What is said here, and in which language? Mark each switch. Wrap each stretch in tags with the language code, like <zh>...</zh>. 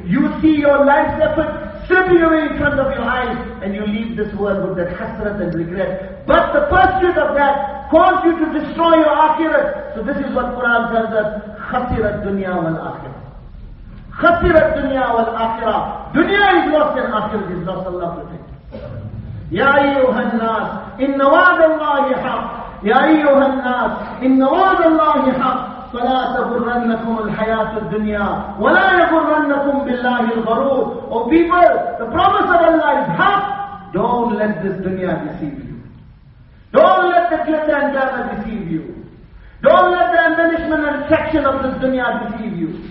<en>You see your life's effort slipping away in front of your eyes and you leave this world with that hasrat and regret. But the pursuit of that caused you to destroy your akhirat. So this is what Quran tells us.</en> <ar>Khasirat dunya wal akhirah. Khasirat dunya wal akhirah.</ar> <en>Dunya is lost and akhirat is lost. Allah protect.</en> <ar>Ya ayyuhan nas, inna wa'dallahi haq. يا أيها الناس إن وعد الله حق فلا تغرنكم الحياة الدنيا ولا يغرنكم بالله الغرور.</ar> <en>O people, the promise of Allah is حق. Don't let this dunya deceive you. Don't let the glitter and glamour deceive you. Don't let the embellishment and attraction of this dunya deceive you.</en>